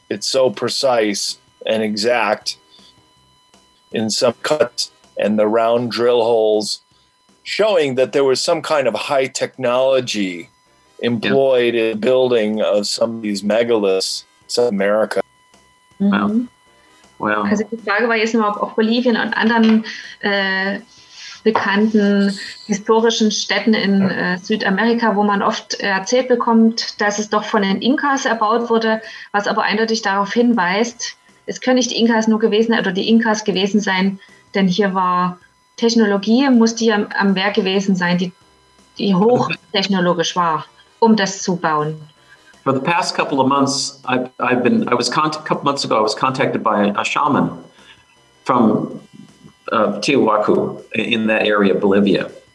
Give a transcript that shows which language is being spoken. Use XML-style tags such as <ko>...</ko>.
<en>It's so precise and exact. In some cuts and the round drill holes, showing that there was some kind of high technology employed in the building of some of these megaliths in South America. Mm-hmm. Wow.</en> <de>Also die Frage war jetzt nochmal, ob auch Bolivien und anderen bekannten historischen Städten in Südamerika, wo man oft erzählt bekommt, dass es doch von den Inkas erbaut wurde, was aber eindeutig darauf hinweist, es können nicht die Inkas nur gewesen oder die Inkas gewesen sein, denn hier war Technologie, musste hier am Werk gewesen sein, die hochtechnologisch war, um das zu bauen.</de> <en>For the past couple of months, I was contacted by a shaman from Tiahuanaco in that area, Bolivia.</en>